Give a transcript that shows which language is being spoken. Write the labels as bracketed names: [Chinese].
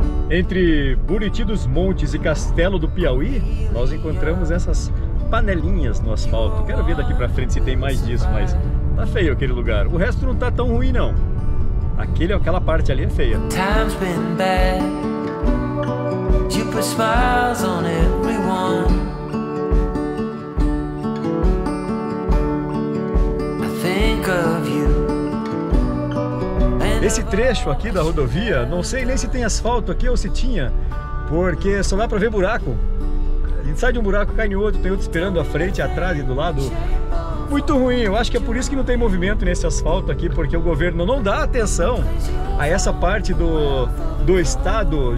[Portuguese] Entre Buriti dos Montes e Castelo do Piauí, nós encontramos essas panelinhas no asfalto. Quero ver daqui pra frente se tem mais disso, mas tá feio aquele lugar. O resto não tá tão ruim, não. Aquela parte ali é feia. [English] Time's been bad. You put smiles on everyone. I think of you. [Portuguese] Esse trecho aqui da rodovia, não sei nem se tem asfalto aqui ou se tinha, porque só dá pra ver buraco. A gente sai de um buraco, cai em outro, tem outro esperando à frente, atrás e do lado. Muito ruim, eu acho que é por isso que não tem movimento nesse asfalto aqui, porque o governo não dá atenção a essa parte do estado.